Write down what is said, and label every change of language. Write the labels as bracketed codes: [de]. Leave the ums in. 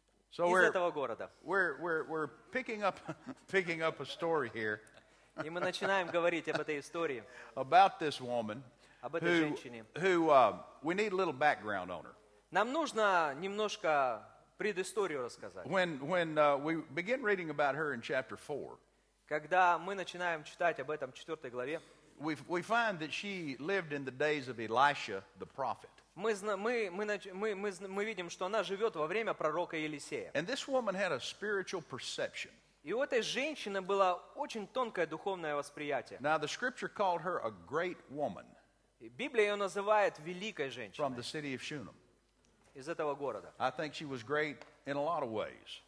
[en] So we're, we're, we're, we're picking, up, picking up a story here. [ru] И мы начинаем говорить об этой истории. [en] About this woman, who, Who, uh, we need a little background on her. [ru] Нам нужно немножко предысторию [en] When, when, uh, we begin reading about her in chapter four, [ru] Когда мы начинаем читать об этом в 4 главе, [en] we've, we find that she lived in the days of Elisha the prophet. [ru] Мы, мы, мы, мы, мы, мы видим, что она живет во время пророка Елисея. [en] And this woman had a spiritual perception. [ru] И у этой женщины было очень тонкое духовное восприятие. [en] Now the scripture called her a great woman. [ru] Библия ее называет великой женщиной. [en] From the city of Shunem. [ru] Из этого города. [en] I think she was great in a lot of ways.